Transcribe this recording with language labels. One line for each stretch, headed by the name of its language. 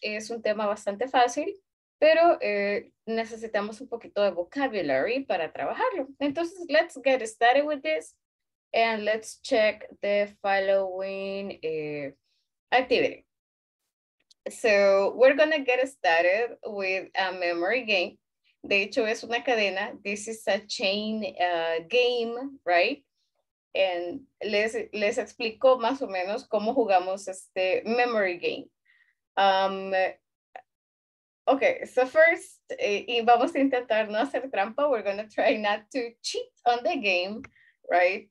Spanish: Es un tema bastante fácil, pero necesitamos un poquito de vocabulary para trabajarlo. Entonces,
English: let's get started with this and let's check the following activity. So we're gonna get started with a memory game.
Spanish: De hecho, es una cadena.
English: This is a chain game, right? And
Spanish: les explico más o menos cómo jugamos este memory game.
English: Okay, so first,
Spanish: y vamos a intentar no hacer trampa.
English: We're gonna try not to cheat on the game, right?